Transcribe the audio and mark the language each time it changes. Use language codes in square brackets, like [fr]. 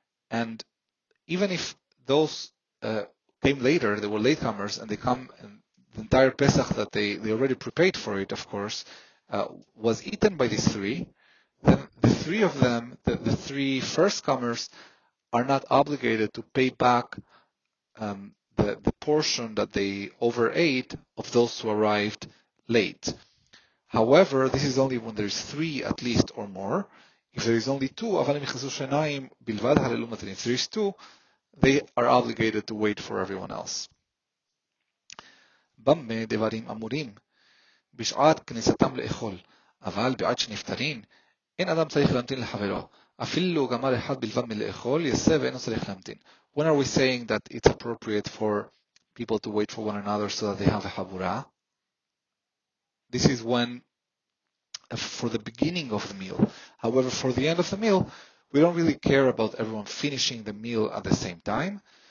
[en] And even if those came later, they were latecomers, and they come and the entire Pesach that they already prepared for it, of course, was eaten by these three, then the three of them, the three first comers, are not obligated to pay back the portion that they overate of those who arrived late. However, this is only when there is three at least or more. If there is only two, if there is two, they are obligated to wait for everyone else. [he] במה דברים אמורים בשעת כניסתם לאכול אבל בעת שנפטרים אין אדם צריך להמתין לחברו אפילו גמר אחד בלבד מלאכול יסה ואין הוא צריך להמתין. [en] When are we saying that it's appropriate for people to wait for one another so that they have a habura? This is when for the beginning of the meal. However, for the end of the meal, we don't really care about everyone finishing the meal at the same time.